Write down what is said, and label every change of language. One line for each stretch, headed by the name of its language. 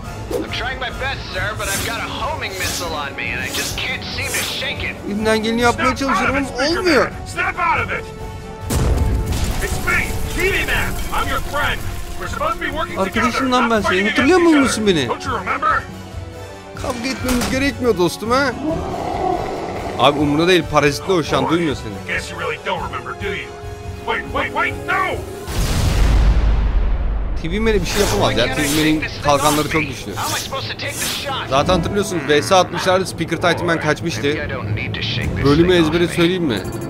English: I'm trying my best, sir, but I've got a homing missile on me, and I just can't seem to shake it.
Turkish: İlimden geleni yapmaya çalışıyorum ama olmuyor.
English: Snap out of it! It's me, TV Man. I'm your friend. We're supposed to be working together.
Turkish: Arkadaşım lan ben seni. Hatırlıyor musun beni?
English: Don't you remember?
Turkish: Kavga etmemiz gerekmiyor dostum ha. Abi umurunda değil, parazitle hoşan, duymuyor seni.
English: Guess you really don't remember, do you? Wait, no!
Turkish: TV Man'e bir şey yapamaz ya. TV Man'in kalkanları çok güçlü. Zaten hatırlıyorsunuz, VS-60'larda Speaker Titan Man kaçmıştı. Bölümü ezbere söyleyeyim mi?